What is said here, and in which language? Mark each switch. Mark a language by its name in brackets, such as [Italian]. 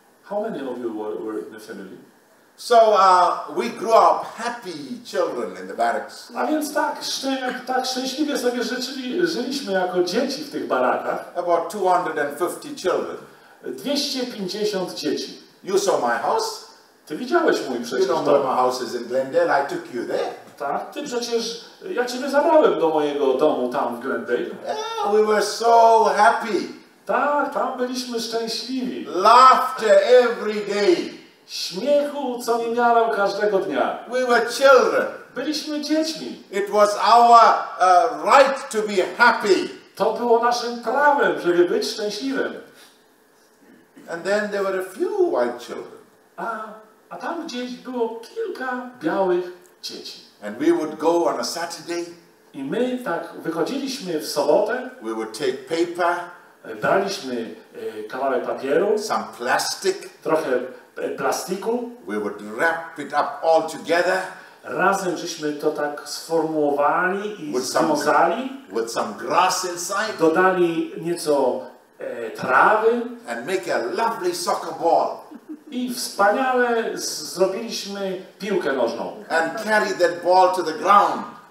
[English] How many of you were in the family? So we grew up happy children in the barracks. [Polish] A więc tak, tak szczęśliwie sobie żyliśmy jako dzieci w tych barakach. [English] About 250 children. [Polish] 250 dzieci. [English] You saw my house? [Polish] Ty widziałeś mój przecież dom. [English] You know my house is in Glendale. I took you there. [Polish] Tak, ty przecież, ja ciebie zabrałem do mojego domu tam w Glendale. [English] Yeah, we were so happy. [Polish] Tak, tam byliśmy szczęśliwi. [English] Laughter every day. [Polish] Śmiechu co niemiarę każdego dnia. [English] We were children. [Polish] Byliśmy dziećmi. [English] It was our right to be happy. [Polish] To było naszym prawem, żeby być szczęśliwym. [English] And then there were a few white children. [Polish] A tam gdzieś było kilka białych dzieci. [English] And we would go on a Saturday. [Polish] I my tak wychodziliśmy w sobotę. [English] We would take paper. [Polish] Daliśmy kawałek papieru. [English] Some plastic. [Polish] Trochę plastiku. [English] We would wrap it up all together. [Polish] Razem żeśmy to tak sformułowali i związali. [English] With some grass inside. [Polish] Dodali nieco trawy. [English] And make a lovely soccer ball. [Polish] I wspaniale zrobiliśmy piłkę nożną. [English] And carry that ball to the ground.